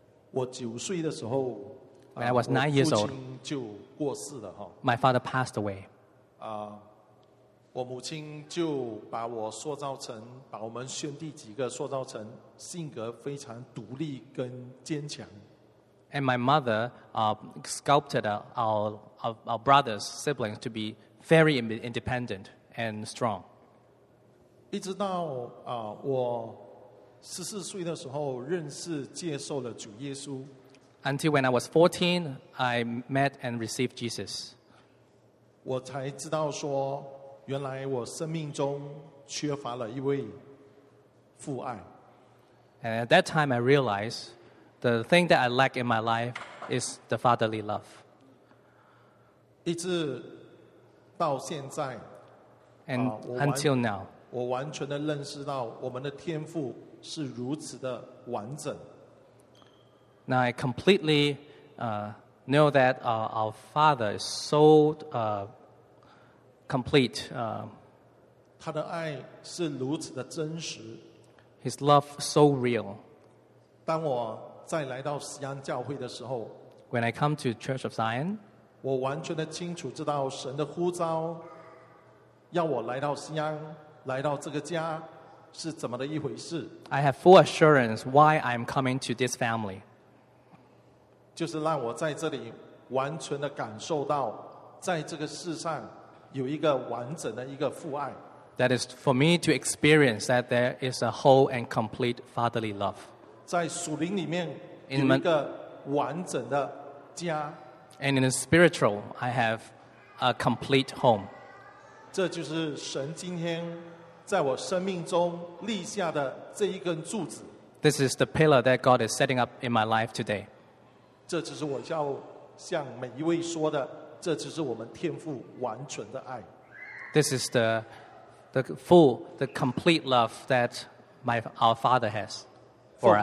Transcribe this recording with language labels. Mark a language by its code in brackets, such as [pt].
[zh] 我九岁的时候 [en] When I was 9 years old, [zh] 我父亲就过世了。 [en] My father passed away. [zh] 我母亲就把我塑造成把我们兄弟几个塑造成性格非常独立跟坚强 [en] and my mother sculpted our brothers siblings to be very independent and strong [zh] 一直到我14岁的时候认识接受了主耶稣 [en] until when I was 14 I met and received Jesus [zh] 我才知道说原来我生命中缺乏了一位父爱。 [en] And at that time, I realized the thing that I lack in my life is the fatherly love. [zh] 一直到现在 [en] And until now, [zh] 我完全的认识到我们的天父是如此的完整。 [en] Now I completely know that our father is so complete. [zh] 他的爱是如此的真实 [en] His love so real. [zh] 当我再来到锡安教会的时候 [en] When I come to Church of Zion [zh] 我完全的清楚知道神的呼召要我来到锡安来到这个家是怎么的一回事 [en] I have full assurance why I'm coming to this family [zh] 就是让我在这里完全的感受到在这个世上有一个完整的一个父爱 [en] That is for me to experience that there is a whole and complete fatherly love [zh] 在属灵里面有一个完整的家 [en] And in the spiritual, I have a complete home [zh] 这就是神今天在我生命中立下的这一根柱子 [en] This is the pillar that God is setting up in my life today [zh] 这就是我要向每一位说的这就是我们天父完全的爱 [en] This is the complete love that our Father has for us